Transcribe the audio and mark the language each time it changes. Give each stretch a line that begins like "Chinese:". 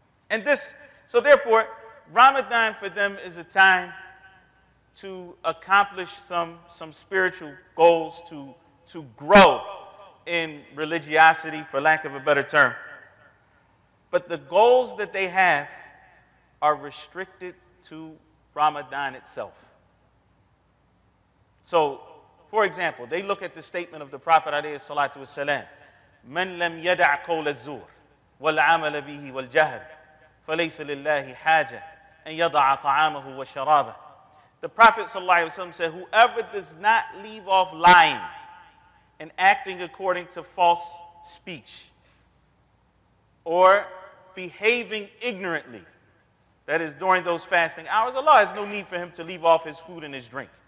English: And this, so therefore, Ramadan for them is a time to accomplish some spiritual goals, to grow in religiosity, for lack of a better term. But the goals that they have are restricted to Ramadan itself. So, for example, they look at the statement of the Prophet
Arabic: عليه الصلاة والسلام, من لم يدع قول الزور والعمل به والجهل فليس لله حاجة أن يضع طعامه وشرابه.
English: The Prophet ﷺ said, whoever does not leave off lying and acting according to false speech or behaving ignorantly, that is during those fasting hours, Allah has no need for him to leave off his food and his drink.